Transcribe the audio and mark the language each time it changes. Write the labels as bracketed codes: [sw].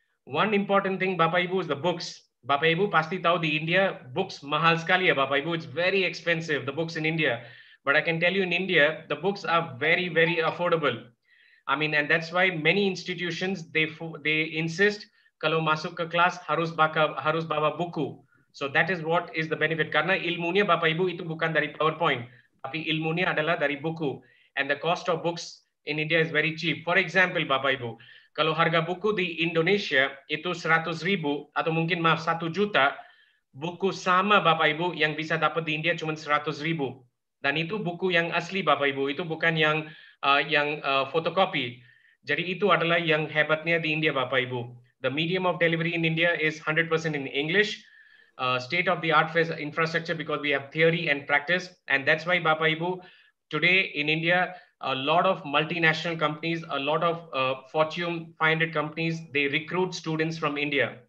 [en] One important thing, Bapak Ibu, is the books. Bapak Ibu, [id] pasti tahu di India, books mahal sekali ya, [en] Bapak Ibu. It's very expensive, the books in India. But I can tell you in India, the books are very, very affordable. I mean, and that's why many institutions, they insist, [id] kalau masuk ke class, harus bawa buku. [en] So that is what is the benefit. [id] Karena ilmunya, Bapak Ibu, itu bukan dari PowerPoint. Tapi ilmunya adalah dari buku. [en] And the cost of books in India is very cheap. For example, [id] Bapak Ibu, kalau harga buku di Indonesia itu 100.000 atau mungkin maaf 1 juta, buku sama Bapak Ibu yang bisa dapat di India cuma 100.000. Dan itu buku yang asli Bapak Ibu, itu bukan yang fotokopi. Jadi itu adalah yang hebatnya di India Bapak Ibu. [en] The medium of delivery in India is 100% in English. State of the art infrastructure because we have theory and practice. And that's why Bapak Ibu, today in India, a lot of multinational companies, a lot of Fortune 500 companies, they recruit students from India.